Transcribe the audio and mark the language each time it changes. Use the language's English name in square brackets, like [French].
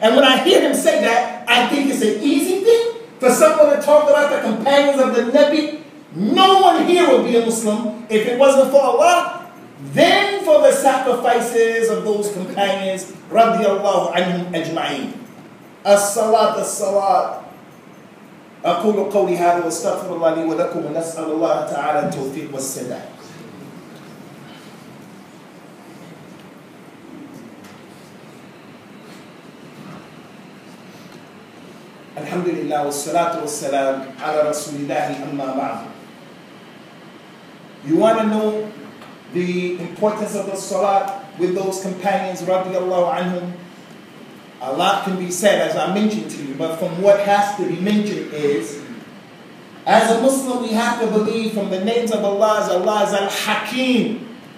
[English] And when I hear him say that, I think it's an easy thing for someone to talk about the companions of the Nabi. No one here would be a Muslim if it wasn't for Allah. Then for the sacrifices of those companions, radiallahu anhum ajma'in. As-salat, as-salat. [Arabic] أقول قولي هذا واستغفر الله لي ولكم ونسأل الله تعالى التوفيق والسداد. الحمد لله والصلاة والسلام على رسول الله أما بعد. [English] You want to know the importance of the salat with those companions رضي الله عنهم. A lot can be said, as I mentioned to you, but from what has to be mentioned is, as a Muslim, we have to believe from the names of Allah, as Allah is Al-Hakim.